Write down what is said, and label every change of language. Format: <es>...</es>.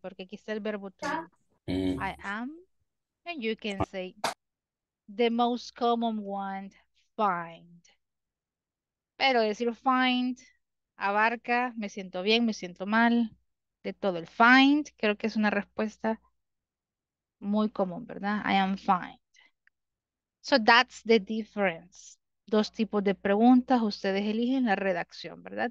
<es>Porque aquí está el verbo to be.</es> <en>I am. And you can say the most common one, find.</en> <es>Pero decir find abarca, me siento bien, me siento mal, de todo el find, creo que es una respuesta muy común, ¿verdad?</es> <en>I am fine. So that's the difference.</en> <es>Dos tipos de preguntas, ustedes eligen la redacción, ¿verdad?</es>